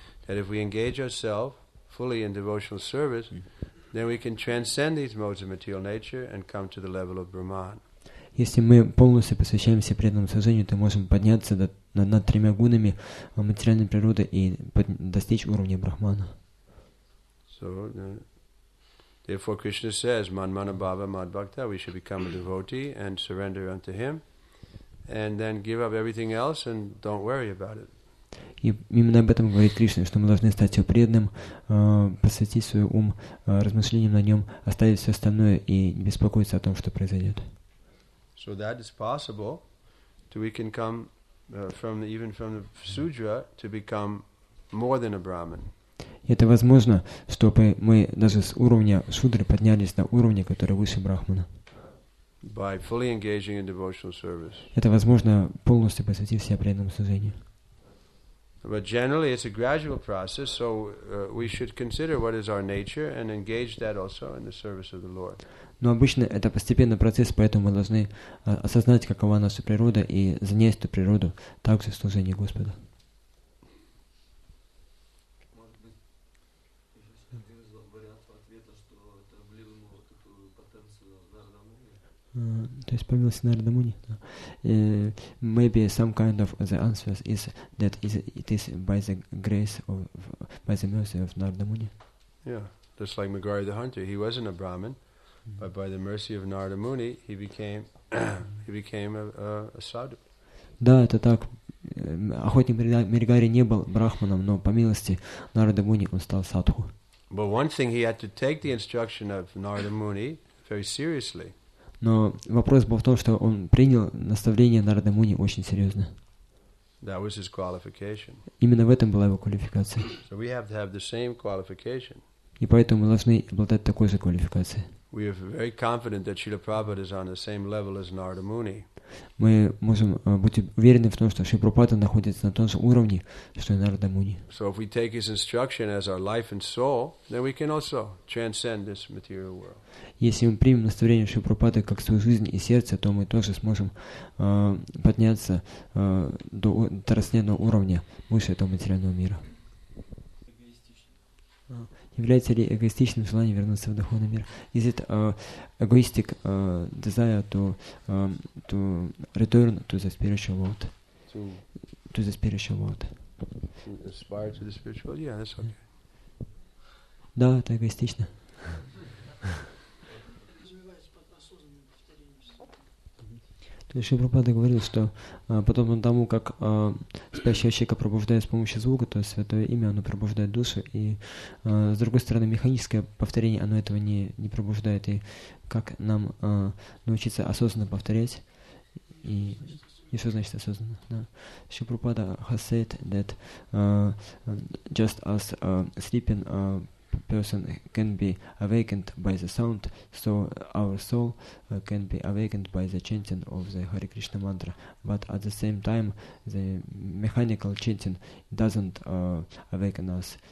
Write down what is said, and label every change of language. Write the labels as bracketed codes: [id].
[en] That if we engage ourselves fully in devotional service, then we can transcend these modes of material nature and come to the level of Brahman. [ru] Если мы полностью посвящаемся преданному служению, то можем подняться над тремя гунами материальной природы и достичь уровня Брахмана. [en] Therefore, Krishna says, [sa] "Man mana bhava mad bhakta." [en] We should become a devotee and surrender unto Him, and then give up everything else and don't worry about it. [ru] И именно об этом говорит Кришна, что мы должны стать его преданным, посвятить свой ум размышлениям на нем, оставить все остальное и не беспокоиться о том, что произойдет. [en] So that is possible. So we can come from the sudra to become more than a brahman. [ru] Это возможно, чтобы мы даже с уровня шудры поднялись на уровень, который выше брахмана. [en] By fully engaging in devotional service. [ru] Это возможно, полностью посвятив себя преданному служению. [en] But generally it's a gradual process, so we should consider what is our nature and engage that also in the service of the Lord. [ru] Но обычно это постепенный процесс, поэтому мы должны осознать, какова наша природа, и занять эту природу также в служении Господа. То есть появился Нарада Муни. [en] Maybe some kind of the answer is that it is by the grace of by the mercy of Nārada Muni. Yeah, just like Megari the hunter, he wasn't a Brahmin, but by the mercy of Nārada Muni, he became a sadhu. [ru] Да, это так. Охотник Мегари не был брахманом, но по милости Нарада Муни он стал садху. [en] But one thing, he had to take the instruction of Nārada Muni very seriously. [ru] Но вопрос был в том, что он принял наставление Нарада Муни очень серьезно. [en] That was his qualification. [ru] Именно в этом была его квалификация. [en] So we have to have the same qualification. [ru] И поэтому мы должны обладать такой же квалификацией. [en] We are very confident that Śrīla Prabhupāda is on the same level as Nārada Muni. [ru] Мы можем быть уверены в том, что Śrīla Prabhupāda находится на том же уровне, что и Нарада Муни. [en] So if we take his instruction as our life and soul, then we can also transcend this material world. [ru] Если мы примем наставление Śrīla Prabhupāda как свою жизнь и сердце, то мы тоже сможем подняться до трансцендентного уровня выше этого материального мира. Является ли эгоистичным желание вернуться в духовный мир? [en] Is it egoistic desire to return to the spiritual world? To the spiritual world. Aspire to the spiritual world? Yeah, that's okay. [ru] Да, это эгоистично. То есть Шрила Прабхупада говорил, что подобно тому, как спящего человека пробуждает с помощью звука, то есть святое имя, оно пробуждает душу, и с другой стороны, механическое повторение, оно этого не пробуждает. И как нам научиться осознанно повторять? И что значит осознанно? Да. [en] Шрила Прабхупада has said that just as sleeping person can be awakened by the sound, so our soul can be awakened by the chanting of the Hare Krishna mantra. But at the same time, the mechanical chanting doesn't awaken us.